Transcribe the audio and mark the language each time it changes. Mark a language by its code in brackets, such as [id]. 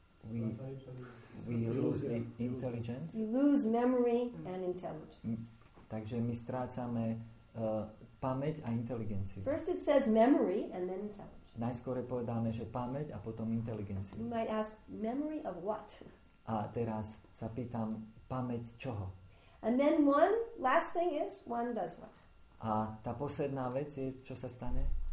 [en] We lose the intelligence. You lose memory and intelligence. [sk] Takže my strácame pamäť a inteligenciu. [en] First it says memory and then intelligence. [sk] Najskôr povedáme, že pamäť a potom inteligenciu. [en] You might ask memory of what? [sk] A teraz sa pýtam, pamäť čoho? [en] And then one last thing is one does what? [sk] A tá posledná vec je, čo sa stane?